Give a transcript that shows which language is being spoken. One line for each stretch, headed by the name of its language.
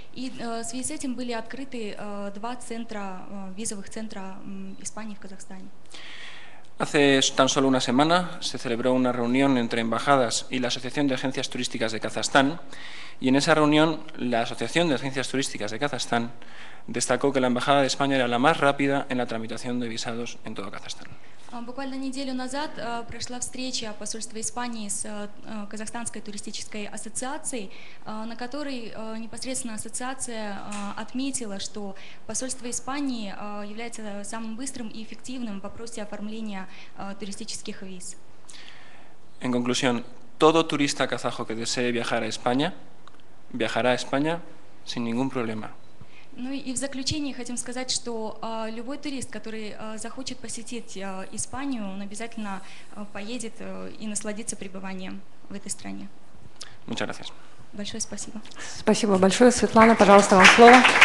Russian: И в связи с этим были открыты два центра, визовых центра Испании в Казахстане.
Spanish: Hace tan solo una semana se celebró una reunión entre embajadas y la Asociación de Agencias Turísticas de Kazajstán, y en esa reunión la Asociación de Agencias Turísticas de Kazajstán destacó que la Embajada de España era la más rápida en la tramitación de visados en todo Kazajstán.
Russian: Буквально неделю назад прошла встреча посольства Испании с Казахстанской туристической ассоциацией, на которой непосредственно ассоциация отметила, что посольство Испании является самым быстрым и эффективным в вопросе оформления туристических виз.
Spanish: En conclusión, todo turista kazajo que desee viajar a España viajará a España sin ningún problema.
Russian: Ну и в заключение хотим сказать, что любой турист, который захочет посетить Испанию, он обязательно поедет и насладится пребыванием в этой стране.
Spanish: Muchas gracias.
Russian: Большое спасибо. Спасибо большое. Светлана, пожалуйста, вам слово.